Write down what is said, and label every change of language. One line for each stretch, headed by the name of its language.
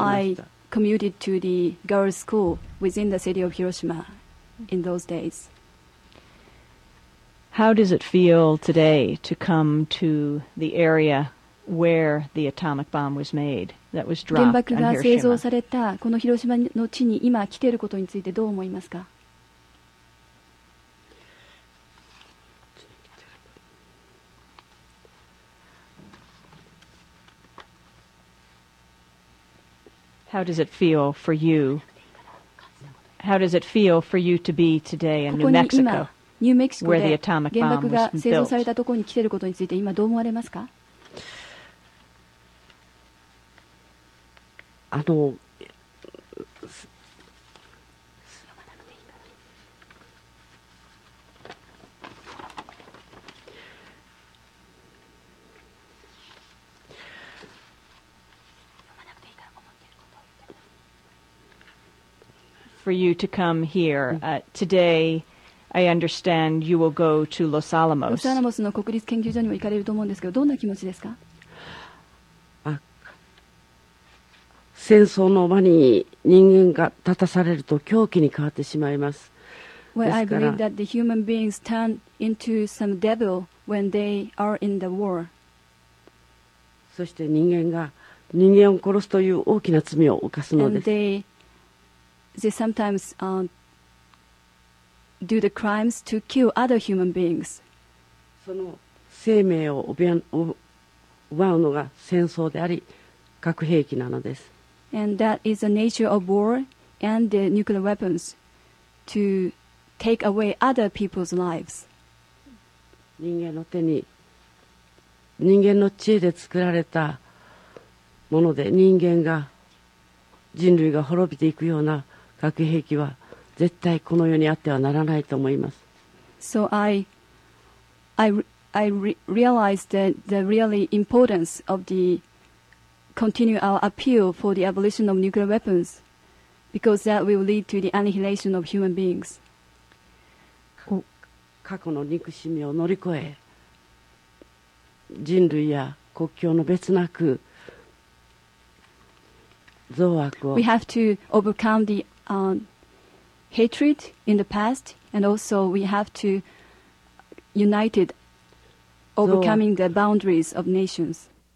English: I commuted to the girls' school within the city of Hiroshima in those days. How does it feel today to come to the area where the atomic bomb was made, that was dropped on Hiroshima?
Japanese: 原爆が製造されたこの広島の地に今来ていることについてどう思いますか？
English: How does it feel for you? How does it feel for you to be today in New Mexico? New Mexico, where the atomic bomb was built.
Japanese: 原爆が製造されたところに来ていることについて今どう思われますか？
English: For you to come here today, I understand you will go to Los Alamos.
Japanese: ロスアラモスの国立研究所にも行かれると思うんですけど、どんな気持ちですか？戦争の場に人間が立たされると狂気に変わってしまいます。
English: Well, I believe that the human beings turn into some devil when they are in the war.
Japanese: そして人間が人間を殺すという大きな罪を犯すのです。
English: And they sometimes do the crimes to kill other human beings.
Japanese: その生命を奪うのが戦争であり、核兵器なのです。
English: And that is the nature of war and the nuclear weapons, to take away other people's lives.
Japanese: 人間の手に、人間の知恵で作られたもので、人間が、人類が滅びていくような核兵器は絶対この世にあってはならないと思います。
English: So I realized the really importance of the continue our appeal for the abolition of nuclear weapons because that will lead to the annihilation of human beings.
Japanese: 過去の憎しみを乗り越え、人類や国境の別なく増悪を。
English: We have to overcome the hatred in the past, and also we have to united overcoming the boundaries of nations.